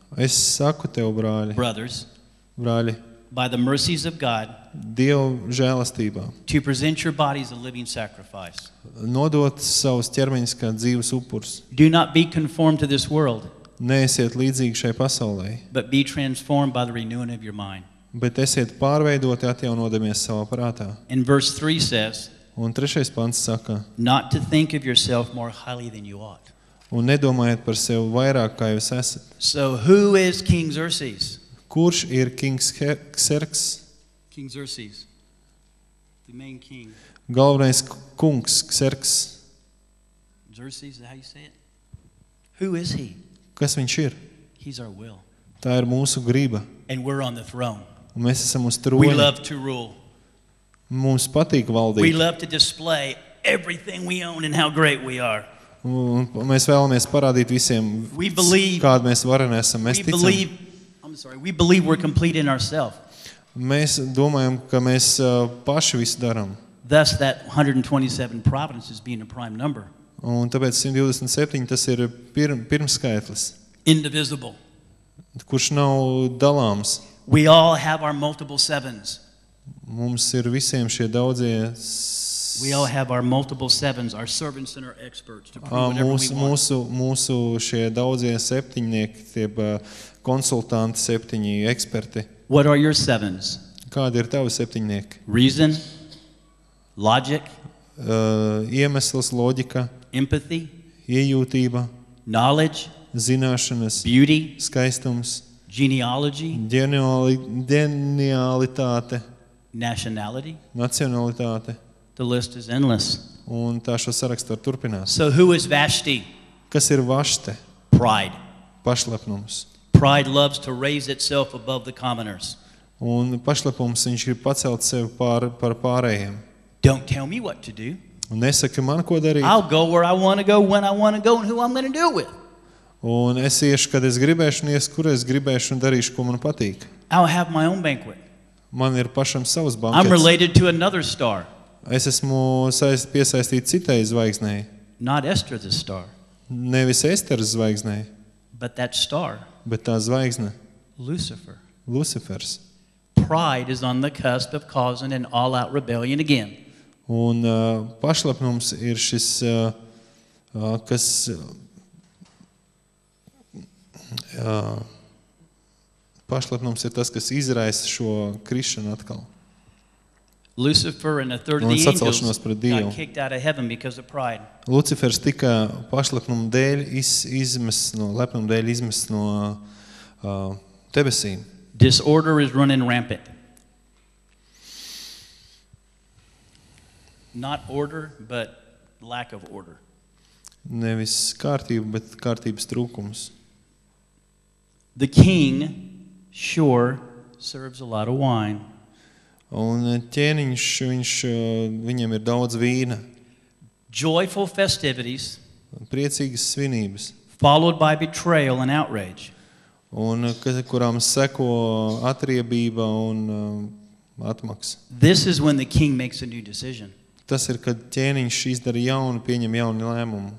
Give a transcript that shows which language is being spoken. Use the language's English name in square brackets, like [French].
[Latvian] Es saku tev, brāļi. [English] Brothers. [Latvian] Brāļi. [English] By the mercies of God. [Latvian] Dieva žēlastībā. [English] To present your bodies a living sacrifice. [Latvian] Nodot savus ķermeņus kā dzīves upurs. [English] Do not be conformed to this world. [Latvian] Neesiet līdzīgi šai pasaulē. [English] But be transformed by the renewing of your mind. [Latvian] Bet esiet pārveidoti, atjaunodamies savā prātā. [English] In verse 3 says. [Latvian] Un trešais pants saka. [English] Not to think of yourself more highly than you ought. [Latvian] Un nedomājiet par sevi vairāk, kā jūs esat. [English] So who is King Xerxes? [Latvian] Kurš ir Kings Xerxes? [English] King Xerxes. The main king. [Latvian] Galvenais kungs Xerxes. [English] Xerxes, is that how you say it? Who is he? [Latvian] Kas viņš ir? [English] He's our will. [Latvian] Tā ir mūsu grība. [English] And we're on the throne. [Latvian] Un mēs esam uz troņa. [English] We love to rule. [Latvian] Mums patīk valdīt. [English] We love to display everything we own and how great we are. [Latvian] Mēs vēlamies parādīt visiem, kādi mēs vareni esam. Mēs ticam. [English] We believe we're complete in ourselves. [Latvian] Mēs domājam, ka mēs paši visu daram. [English] Thus that 127 providence is being a prime number. [Latvian] Un tāpēc 127, tas ir pirmskaitlis. [English] Indivisible. [Latvian] Kurš nav dalāms. [English] We all have our multiple sevens. [Latvian] Mums ir visiem šie daudzie. [English] We all have our multiple sevens, our servants and our experts to prove whatever we want. [Latvian] Mūsu šie daudzie septiņnieki, tie konsultanti septiņi, eksperti. [English] What are your sevens? [Latvian] Kādi ir tavi septiņnieki? [English] Reason, logic, [Latvian] iemesls, loģika, [English] empathy, [Latvian] iejūtība, [English] knowledge, [Latvian] zināšanas, [English] beauty, [Latvian] skaistums, [English] genealogy, [Latvian] genialitāte, [English] nationality, [Latvian] nacionalitāte. [English] The list is endless. [Latvian] Un tā šo sarakstu var turpināt. [English] So who is Vashti? [Latvian] Kas ir Vašte? [English] Pride. [Latvian] Pašlepnums. [English] Pride loves to raise itself above the commoners. [Latvian] Un pašlepnums, viņš ir pacelt sevi par pārējiem. [English] Don't tell me what to do. [Latvian] Un nesaki man, ko darīt. [English] I'll go where I want to go, when I want to go, and who I'm going to do it with. [Latvian] Un es iešu, kad es gribēšu, un iesu, kur es gribēšu, un darīšu, ko man patīk. [English] I'll have my own banquet. [Latvian] Man ir pašam savas banquets. [English] I'm related to another star. [Latvian] Es esmu piesaistīts citai zvaigznei. [English] Not Esther the star. [Latvian] Nevis Esteras zvaigznei. [English] But that star. [Latvian] Bet tā zvaigzne. [English] Lucifer. [Latvian] Lucifers. [English] Pride is on the cusp of causing an all-out rebellion again. [Latvian] Un pašlepnums ir šis, kas... pašlepnums ir tas, kas izraisa šo krišanu atkal. [English] Lucifer and a third of the angels got kicked out of heaven because of pride. [Latvian] Lucifers tika pašlepnuma dēļ izmests no lepnuma dēļ izmests no debesīm. [English] Disorder is running rampant. Not order, but lack of order. [Latvian] Nevis kārtība, bet kārtības trūkums. [English] The king sure serves a lot of wine. [Latvian] Un ķēniņš, viņam ir daudz vīna. [English] Joyful festivities. [Latvian] Priecīgas svinības. [English] Followed by betrayal and outrage. [Latvian] Un kurām seko atriebība un atmaks. [English] This is when the king makes a new decision. [Latvian] Tas ir, kad ķēniņš izdara jaunu, pieņem jaunu lēmumu.